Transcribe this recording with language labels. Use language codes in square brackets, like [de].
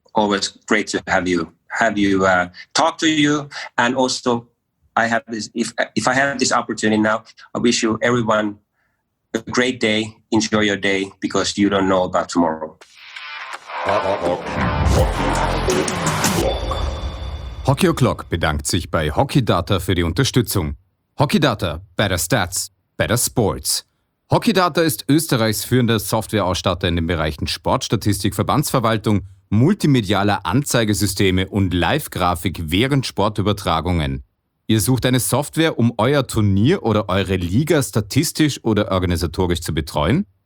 [en] Always great to have you talk to you. And also, if I have this opportunity now, I wish you everyone a great day. Enjoy your day, because you don't know about tomorrow. [de] Hockey O'Clock bedankt sich bei Hockey Data für die Unterstützung. [en] Hockey Data, better stats, better sports. [de] Hockey Data ist Österreichs führender Softwareausstatter in den Bereichen Sportstatistik, Verbandsverwaltung, multimedialer Anzeigesysteme und Live-Grafik während Sportübertragungen. Ihr sucht eine Software, um euer Turnier oder eure Liga statistisch oder organisatorisch zu betreuen?